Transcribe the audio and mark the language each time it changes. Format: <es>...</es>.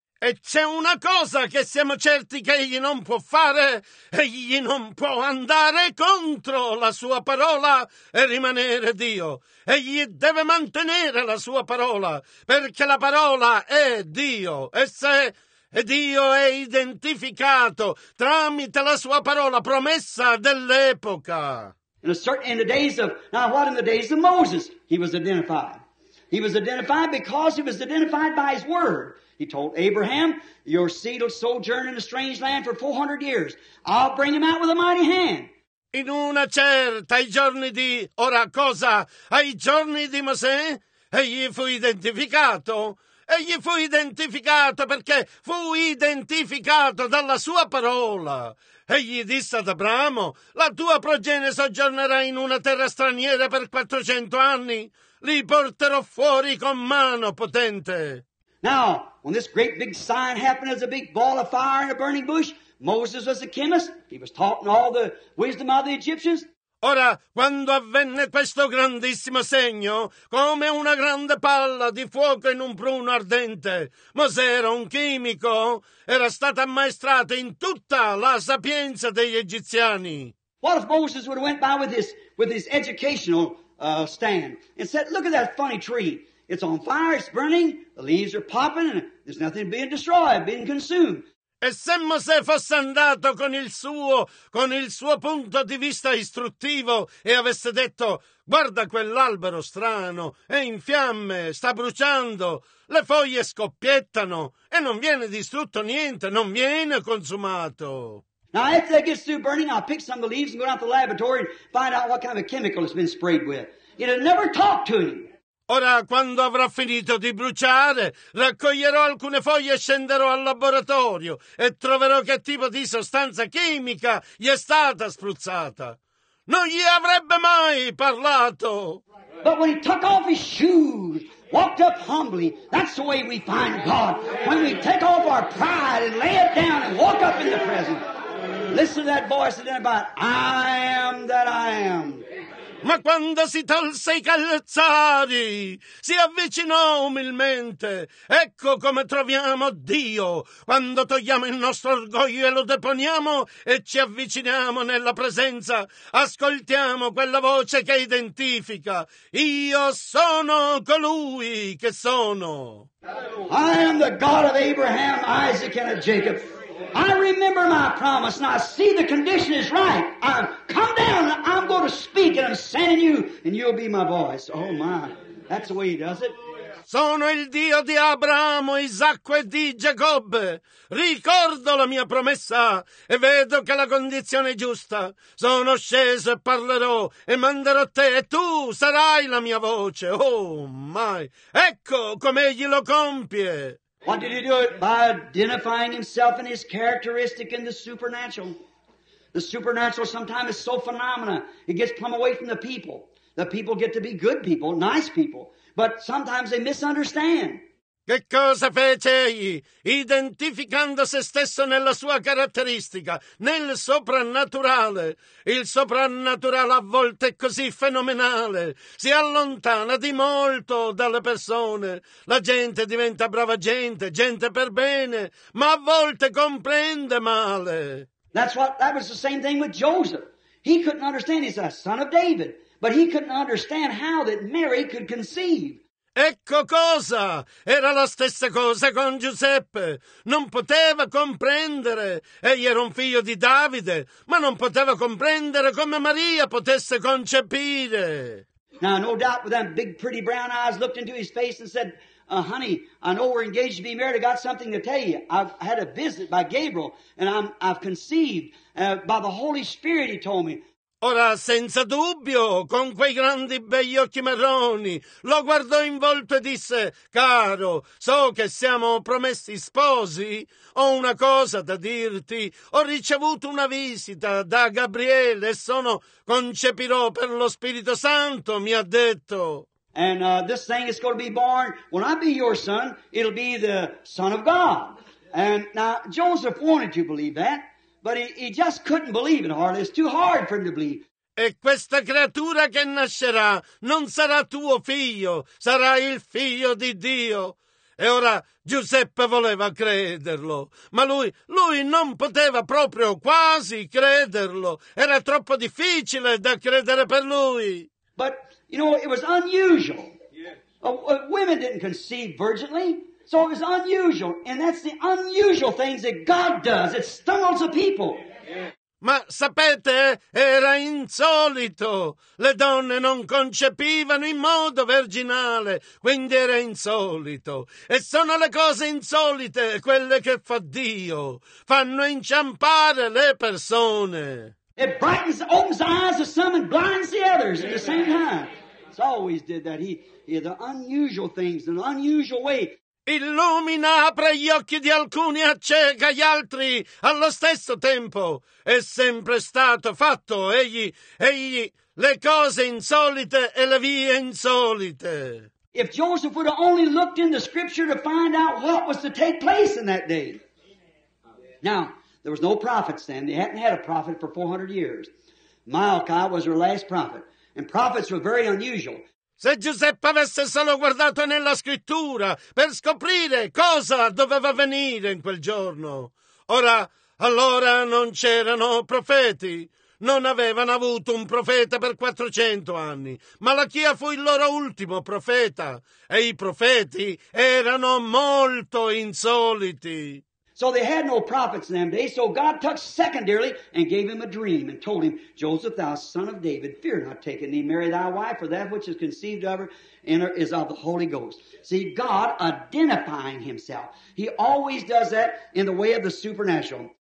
<it>E c'è una cosa che siamo certi che egli non può fare. Egli non può andare contro la sua parola e rimanere Dio. Egli deve mantenere la sua parola perché la parola è Dio. E se... E Dio è identificato tramite la sua parola promessa dell'epoca.</it> <en>In the days of now, what in the days of Moses he was identified. He was identified because he was identified by his word. He told Abraham, "Your seed will sojourn in a strange land for 400 years. I'll bring him out with a mighty hand."</en> <it>In una certa, ai giorni di ora cosa? Ai giorni di Mosè, egli fu identificato. Egli fu identificato perché fu identificato dalla sua parola. Egli disse ad Abramo, la tua progenie soggiornerà in una terra straniera per 400 anni. Li porterò fuori con mano potente.</it> <en>Now, when this great big sign happened as a big ball of fire in a burning bush, Moses was a chemist. He was taught in all the wisdom of the Egyptians.</en> <it>Ora, quando avvenne questo grandissimo segno, come una grande palla di fuoco in un pruno ardente, Mosè era un chimico, era stato ammaestrato in tutta la sapienza degli egiziani.</it> <en>What if Moses would have went by with his educational stand and said, look at that funny tree. It's on fire, it's burning, the leaves are popping, and there's nothing being destroyed, being consumed.</en> <it>E se Mosè fosse andato con il suo punto di vista istruttivo e avesse detto, guarda quell'albero strano, è in fiamme, sta bruciando, le foglie scoppiettano e non viene distrutto niente, non viene consumato.</it> <en>Now, if that gets through burning, I'll pick some of the leaves and go out to the laboratory and find out what kind of chemical it's been sprayed with. It'll never talk to him.</en> <it>Ora, quando avrà finito di bruciare, raccoglierò alcune foglie e scenderò al laboratorio e troverò che tipo di sostanza chimica gli è stata spruzzata. Non gli avrebbe mai parlato.</it> <en>But when he took off his shoes, walked up humbly, that's the way we find God. When we take off our pride and lay it down and walk up in the presence. Listen to that voice that's in about, I am that I am.</en> <it>Ma quando si tolse i calzari, si avvicinò umilmente. Ecco come troviamo Dio, quando togliamo il nostro orgoglio e lo deponiamo e ci avviciniamo nella presenza. Ascoltiamo quella voce che identifica. Io sono colui che sono.</it> <en>I am the God of Abraham, Isaac and of Jacob. I remember my promise and I see the condition is right. I've come down and I'm going to speak and I'm sending you and you'll be my voice. Oh my, that's the way he does it.</en> <it>Sono il Dio di Abramo, Isacco e di Giacobbe. Ricordo la mia promessa e vedo che la condizione è giusta. Sono sceso e parlerò e manderò te e tu sarai la mia voce.</it> <en>Oh my,</en> <it>ecco come egli lo compie.</it> <en>What did he do? By identifying himself and his characteristic in the supernatural. The supernatural sometimes is so phenomenal, it gets come away from the people. The people get to be good people, nice people, but sometimes they misunderstand.</en> <it>Che cosa fece egli? Identificando se stesso nella sua caratteristica, nel soprannaturale. Il soprannaturale a volte è così fenomenale. Si allontana di molto dalle persone. La gente diventa brava gente, gente per bene, ma a volte comprende male.</it> <en>That was the same thing with Joseph. He couldn't understand. He's a son of David. But he couldn't understand how that Mary could conceive.</en> <it>Ecco cosa! Era la stessa cosa con Giuseppe. Non poteva comprendere. Egli era un figlio di Davide, ma non poteva comprendere come Maria potesse concepire.</it> <en>Now, no doubt with them big pretty brown eyes looked into his face and said, honey, I know we're engaged to be married. I got something to tell you. I've had a visit by Gabriel and I've conceived by the Holy Spirit, he told me.</en> <it>Ora, senza dubbio, con quei grandi begli occhi marroni, lo guardò in volto e disse, caro, so che siamo promessi sposi, ho una cosa da dirti, ho ricevuto una visita da Gabriele, sono, concepirò per lo Spirito Santo, mi ha detto.</it> <en>And this thing is going to be born, when I be your son, it'll be the son of God. And now, Joseph wanted you to believe that. But he just couldn't believe it hardly. It's too hard for him to believe.</en> <it>E questa creatura che nascerà non sarà tuo figlio, sarà il figlio di Dio. E ora Giuseppe voleva crederlo, ma lui non poteva proprio quasi crederlo. Era troppo difficile da credere per lui.</it> <en>But, you know, it was unusual. Yes. Women didn't conceive virginally. So it was unusual, and that's the unusual things that God does. It startles the people.</en> <it>Ma sapete, era insolito. Le donne non concepivano in modo virginale, quindi era insolito. E sono le cose insolite quelle che fa Dio. Fanno inciampare le persone.</it> <en>It brightens, opens the eyes of some and blinds the others at the same time. It's always did that. He the unusual things, in an unusual way.</en> <it>Illumina, apre gli occhi di alcuni e acceca gli altri allo stesso tempo. È sempre stato fatto, egli, le cose insolite e le vie insolite.</it> <en>If Joseph would have only looked in the scripture to find out what was to take place in that day. Now, there was no prophets then. They hadn't had a prophet for 400 years. Malachi was her last prophet. And prophets were very unusual.</en> <it>Se Giuseppe avesse solo guardato nella scrittura per scoprire cosa doveva venire in quel giorno. Ora, allora non c'erano profeti. Non avevano avuto un profeta per 400 anni. Malachia fu il loro ultimo profeta. E i profeti erano molto insoliti.</it> <en>So they had no prophets in them days, so God took secondarily and gave him a dream and told him, Joseph, thou son of David, fear not taking thee, Mary thy wife, for that which is conceived of her in her is of the Holy Ghost. See, God identifying himself. He always does that in the way of the supernatural.</en>